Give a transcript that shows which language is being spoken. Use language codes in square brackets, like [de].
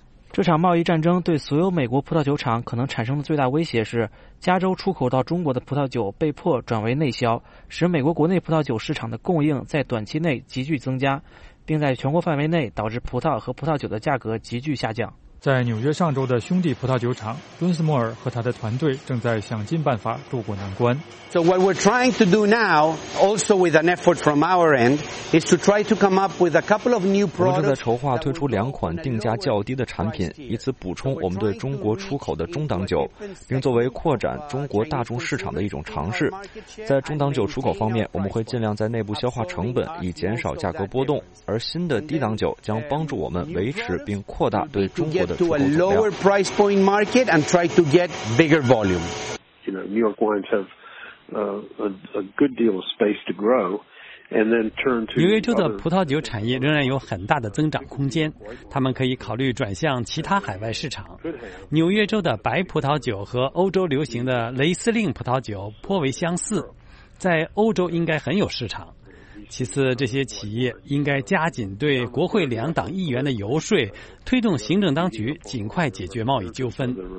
[zh] 这场贸易战争对所有美国葡萄酒厂可能产生的最大威胁是，加州出口到中国的葡萄酒被迫转为内销，使美国国内葡萄酒市场的供应在短期内急剧增加，并在全国范围内导致葡萄和葡萄酒的价格急剧下降。在纽约上周的兄弟葡萄酒厂，敦斯摩尔和他的团队正在想尽办法渡过难关。 [en] So what we're trying to do now, also with an effort from our end, is to try to come up with a couple of new products. [zh] 我们正在筹划推出两款定价较低的产品，以此补充我们对中国出口的中档酒，并作为扩展中国大众市场的一种尝试。在中档酒出口方面，我们会尽量在内部消化成本，以减少价格波动。而新的低档酒将帮助我们维持并扩大对中国。 [en] To a lower price point market and try to get bigger volume. You know, New York wines have a good deal of space to grow, and then turn to. [zh] 纽约州的葡萄酒产业仍然有很大的增长空间，他们可以考虑转向其他海外市场。纽约州的白葡萄酒和欧洲流行的雷司令葡萄酒颇为相似，在欧洲应该很有市场。其次，这些企业应该加紧对国会两党议员的游说，推动行政当局尽快解决贸易纠纷。